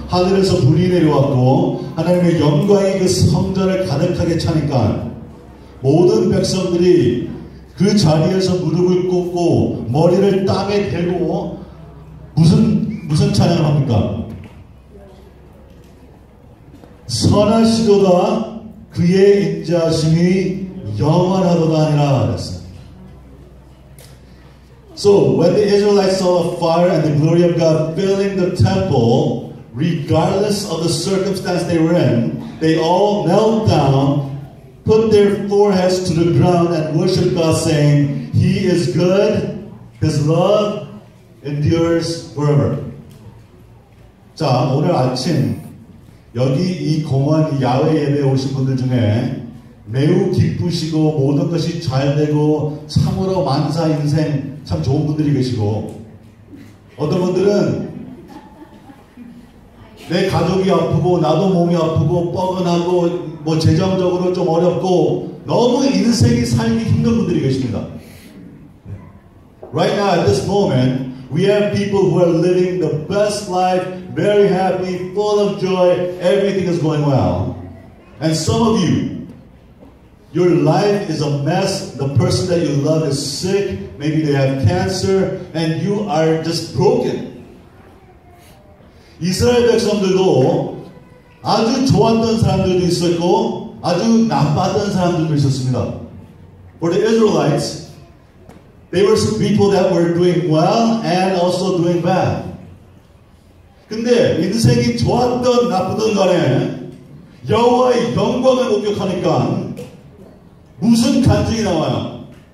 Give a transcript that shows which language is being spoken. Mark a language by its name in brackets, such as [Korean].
[Korean] 하늘에서 불이 내려왔고 하나님의 영광이 그 성전을 가득하게 차니까 모든 백성들이 그 자리에서 무릎을 꿇고 머리를 땅에 대고 무슨 찬양을 합니까? 선하시도다 그의 인자하심이 영원하도다 아니라 [English] So when the Israelites saw the fire and the glory of God filling the temple, regardless of the circumstance they were in, they all knelt down, put their foreheads to the ground and worshiped God saying, He is good, His love endures forever. [Korean] 자, 오늘 아침 여기 이 공원 야외 예배에 오신 분들 중에 매우 기쁘시고 모든 것이 잘 되고 참으로 만사 인생 참 좋은 분들이 계시고 어떤 분들은 내 가족이 아프고 나도 몸이 아프고 뻐근하고 뭐 재정적으로 좀 어렵고 너무 인생이 삶이 힘든 분들이 계십니다. [English] Right now at this moment We have people who are living the best life, very happy, full of joy, everything is going well. And some of you, your life is a mess, the person that you love is sick, maybe they have cancer, and you are just broken. [Korean] 이스라엘 백성들도 아주 좋았던 사람들도 있었고, 아주 나빴던 사람들도 있었습니다. [English] For the Israelites, There were some people that were doing well and also doing bad. [Korean] 근데 인생이 좋았던 나쁘던 간에 여호와의 영광을 목격하니까 무슨 간증이 나와요?